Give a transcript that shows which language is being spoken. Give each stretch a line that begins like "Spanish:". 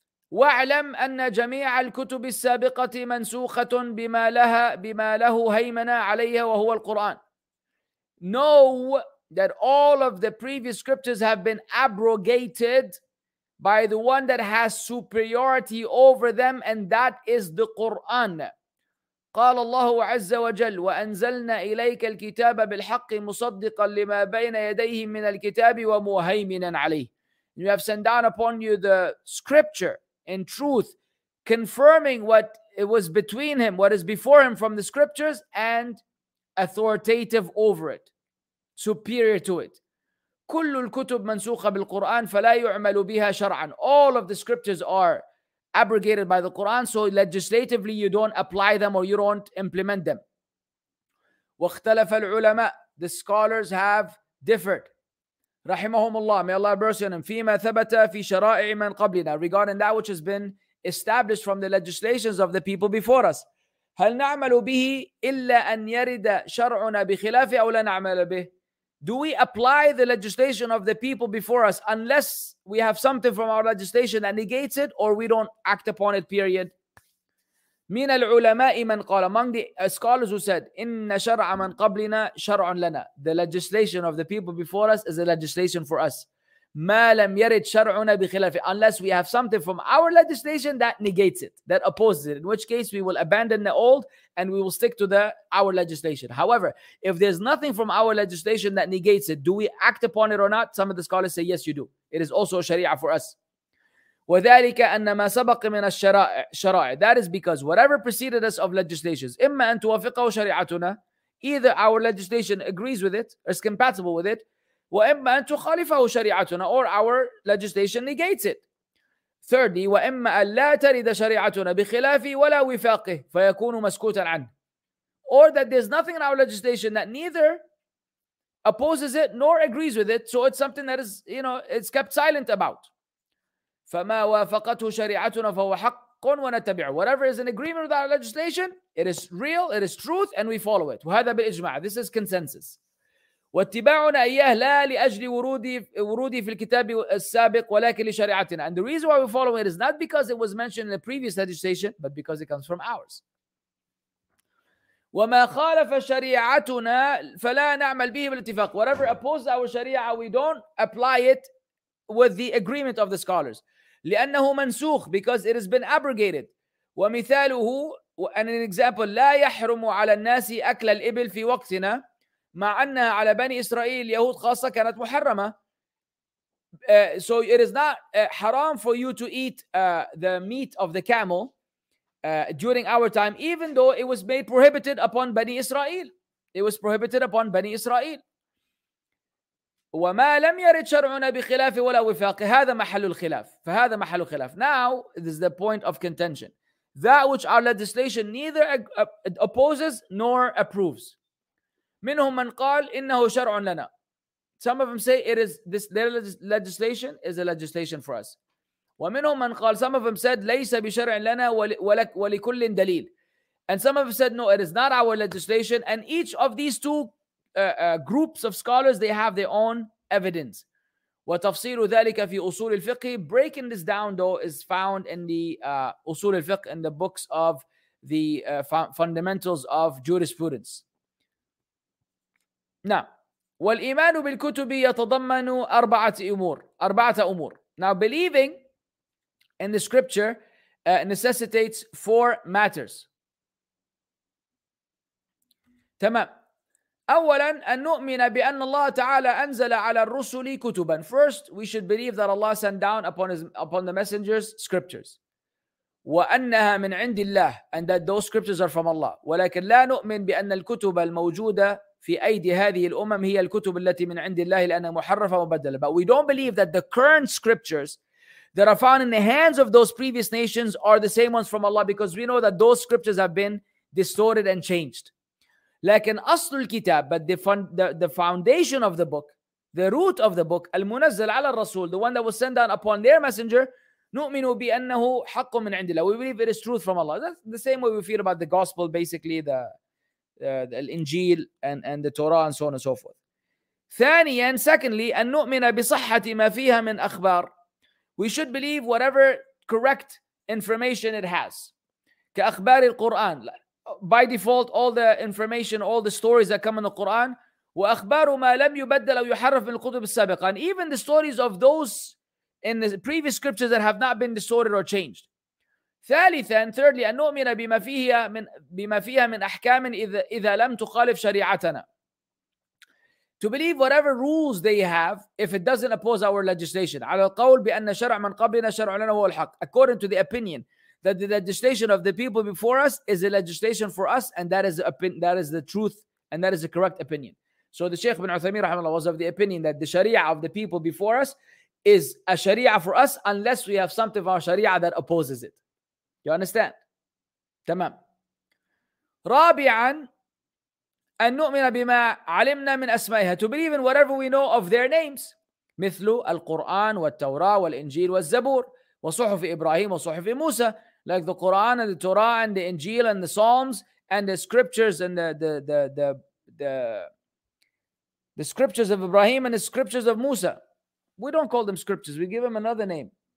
Arabic: واعلم أن جميع الكتب السابقة منسوخة بما له هيمنة عليها وهو القرآن.
English: Know that all of the previous scriptures have been abrogated by the one that has superiority over them, and that is the Quran.
Arabic: قال الله عز وجل وأنزلنا إليك الكتاب بالحق مصدقا لما بين يديه من الكتاب ومهيمنا عليه.
English: We have sent down upon you the scripture in truth, confirming what it was between him, what is before him from the scriptures, and authoritative over it, superior to it.
Arabic: كل الكتب منسوخة بالقرآن فلا يعمل بها شرعا.
English: All of the scriptures are abrogated by the Quran, so legislatively you don't apply them or you don't implement them.
Arabic: واختلف العلماء,
English: the scholars have differed.
Arabic: رحمهم الله,
English: may Allah mercy on him,
Arabic: فيما ثبت في شرائع من قبلنا,
English: regarding that which has been established from the legislations of the people before us.
Arabic: هل نعمل به إلا أن يرد شرعنا بخلافه أو لا نعمل به.
English: Do we apply the legislation of the people before us unless we have something from our legislation that negates it, or we don't act upon it, period.
Arabic: من العلماء من قال,
English: among the scholars who said,
Arabic: إن شرع من قبلنا شرع لنا.
English: The legislation of the people before us is a legislation for us.
Arabic: ما لم يرد شرعنا بخلافه.
English: Unless we have something from our legislation that negates it, that opposes it, in which case we will abandon the old and we will stick to the our legislation. However, if there's nothing from our legislation that negates it, do we act upon it or not? Some of the scholars say, yes, you do. It is also a sharia for us.
Arabic: وذلك أن ما سبق من الشرائع.
English: That is because whatever preceded us of legislations,
Arabic: إما أن توافقه شريعتنا,
English: either our legislation agrees with it, is compatible with it,
Arabic: وإما أن تخالفه شريعتنا,
English: or our legislation negates it. Thirdly,
Arabic: وإما أن لا ترد شريعتنا بخلافه ولا وفاقه فيكون مسكوتا عنه.
English: Or that there's nothing in our legislation that neither opposes it nor agrees with it, so it's something that is, you know, it's kept silent about.
Arabic: فما وافقته شريعتنا فهو حق ونتبعه.
English: Whatever is in agreement with our legislation, it is real, it is truth, and we follow it.
Arabic: وهذا بالإجماع.
English: This is consensus.
Arabic: واتباعنا إياه لا لأجل ورودي في الكتاب السابق ولكن لشريعتنا.
English: And the reason why we follow it is not because it was mentioned in the previous legislation, but because it comes from ours.
Arabic: وما خالف شريعتنا فلا نعمل به بالاتفاق.
English: Whatever opposes our sharia, we don't apply it with the agreement of the scholars.
Arabic: لأنه منسوخ,
English: because it has been abrogated.
Arabic: ومثاله,
English: and an example,
Arabic: لا يحرم على الناس أكل الإبل في وقتنا مع أنها على بني إسرائيل اليهود خاصة كانت محرمة.
English: So it is not haram for you to eat the meat of the camel during our time, even though it was made prohibited upon بني إسرائيل. It was prohibited upon بني إسرائيل.
Arabic: وما لم يرد شرعنا بخلاف ولا وفاق هذا محل الخلاف. فهذا محل الخلاف.
English: Now this is the point of contention, that which our legislation neither opposes nor approves.
Arabic: منهم من قال إنه شرع لنا.
English: Some of them say it is, this legislation is a legislation for us.
Arabic: ومنهم من قال,
English: some of them said,
Arabic: ليس بشرع لنا ولكل دليل.
English: And some of them said, no, it is not our legislation. And each of these two groups of scholars, they have their own evidence.
Arabic: وتفصيل ذلك في أصول الفقه.
English: Breaking this down though is found in the أصول الفقه, in the books of the fundamentals of jurisprudence.
Arabic: Now, والإيمان بالكتب يتضمن أربعة أمور. أربعة أمور.
English: Now, believing in the scripture necessitates four matters.
Arabic: تمام. أولاً أن نؤمن بأن الله تعالى أنزل على الرسل كتباً.
English: First, we should believe that Allah sent down upon the messengers scriptures.
Arabic: وأنها من عند الله,
English: and that those scriptures are from Allah.
Arabic: ولكن لا نؤمن بأن الكتب الموجودة في أيدي هذه الأمم هي الكتب التي من عند الله لأنها محرفة ومبدلة.
English: But we don't believe that the current scriptures that are found in the hands of those previous nations are the same ones from Allah, because we know that those scriptures have been distorted and changed.
Arabic: لكن أصل الكتاب,
English: but the foundation of the book, the root of the book,
Arabic: المنزل على الرسول,
English: the one that was sent down upon their messenger,
Arabic: نؤمن بأنه حق من عند الله.
English: We believe it is truth from Allah. That's the same way we feel about the gospel, basically the الإنجيل and the Torah and so on and so forth.
Arabic: ثانيا,
English: secondly,
Arabic: أن نؤمن بصحة ما فيها من أخبار.
English: We should believe whatever correct information it has.
Arabic: كأخبار القرآن.
English: By default, all the information, all the stories that come in the Quran,
Arabic: وأخبار ما لم يبدل أو يحرف من الكتب السابقة,
English: and even the stories of those in the previous scriptures that have not been distorted or changed.
Arabic: ثالثا,
English: thirdly,
Arabic: أن نؤمن بما فيها من أحكام إذا لم تخالف شريعتنا.
English: To believe whatever rules they have, if it doesn't oppose our legislation,
Arabic: على القول بأن شرع من قبلنا شرع لنا هو الحق,
English: according to the opinion that the legislation of the people before us is a legislation for us, and that is the truth, and that is the correct opinion. So the Sheikh bin Uthaymeen rahimahullah was of the opinion that the sharia of the people before us is a sharia for us, unless we have something of our sharia that opposes it. You understand? Tamam.
Arabic: Rabi'an, أن نؤمن بما علمنا من أسمائها.
English: To believe in whatever we know of their names.
Arabic: مثل القرآن والتوراة والإنجيل والزبور وصحف إبراهيم وصحف موسى.
English: Like the Quran and the Torah and the Injil and the Psalms and the scriptures and the scriptures of Ibrahim and the scriptures of Musa. We don't call them scriptures. We give them another name.